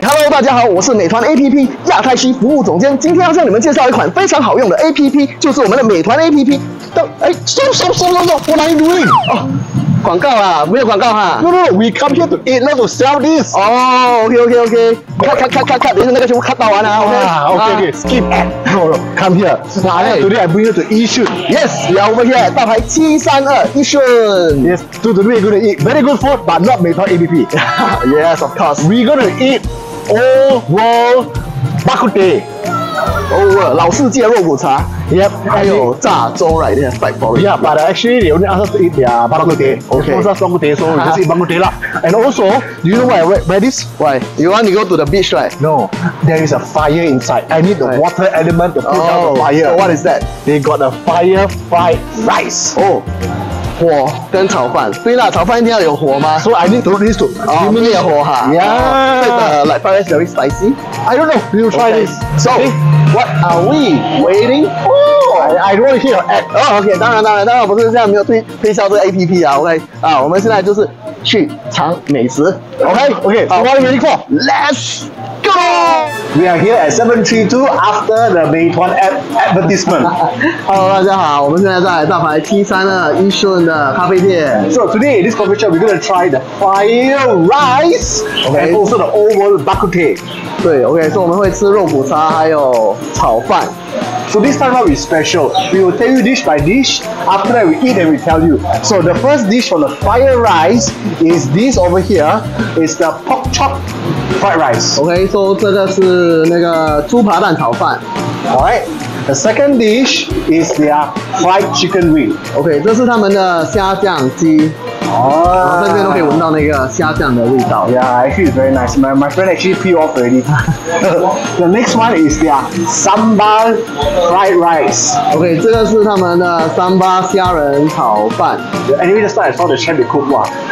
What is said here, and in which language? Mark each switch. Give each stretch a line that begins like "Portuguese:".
Chinese: 大家好，我是美团 APP 亚太区服务总监，今天要向你们介绍一款非常好用的 APP， 就是我们的美团 APP。
English: What are you doing？
Chinese: 广告啊，没有广告哈。
English: No, we come here to eat, not to sell this. Okay. Cut.
Chinese: 等一下那个全部 cut 到完了。
English: Okay. Skip. No. Come here. Today I bring you to Yishun. Yes, we are over here. 大牌732 Yishun. Yes. Today we're gonna eat very good food, but not Meituan APP. Yes, of course. We're gonna eat old world Bak Kut Teh. Oh, wow,
Chinese: 老世界肉骨茶
English: Yep
Chinese: 还有炸粥
English: right there, fight for it. Yeah, but actually they only ask us to eat their Bak Kut Teh. They sponsor Bak Kut Teh, so we just eat Bak Kut Teh lah. And also, do you know why I wear this? Why? You want to go to the beach, right? No, there is a fire inside. I need the water element to put out the fire. So what is that? They got a fire fried rice. Oh.
Chinese: 火跟炒饭，对啦，炒饭一定要有火吗？
English: 所、so、以 I need to this to
Chinese: 啊，里面有火哈。
English: Yeah，
Chinese: 对的
English: ，like fried rice very spicy。 I don't know， we'll try this。 So what are we waiting for？ I don't hear app。
Chinese: OK， 当然不是这样，没有推销这个 APP 啊。 OK， 啊、我们现在就是去尝美食。
English: OK，so what are we waiting for？ Let's go。 We are here at 732 after the Meituan advertisement.
Chinese: Hello, 大家好，我们现在在大牌732 Yishun 的咖啡店。
English: So today in this coffee shop, we're going to try the fire rice and also the old world Bak Kut Teh.
Chinese: 对 ，OK， 所以我们会吃肉骨茶还有炒饭。
English: So this time out is special. We will tell you dish by dish. After that, we eat and we tell you. So the first dish for the fire rice is this over here. It's the pork chop fried rice. Okay, so this is the 猪扒蛋炒饭. Alright. The second dish is their fried chicken wing. Okay, this is their 虾酱鸡. Oh.
Chinese: 这边都可以闻到那个虾酱的味道.
English: Yeah, actually it's very nice. My friend actually peeled off already. The next one is their sambal fried rice.
Chinese: Okay, 这个是他们的三八虾仁炒饭.
English: Anyway, just like I saw the chef cook, wow.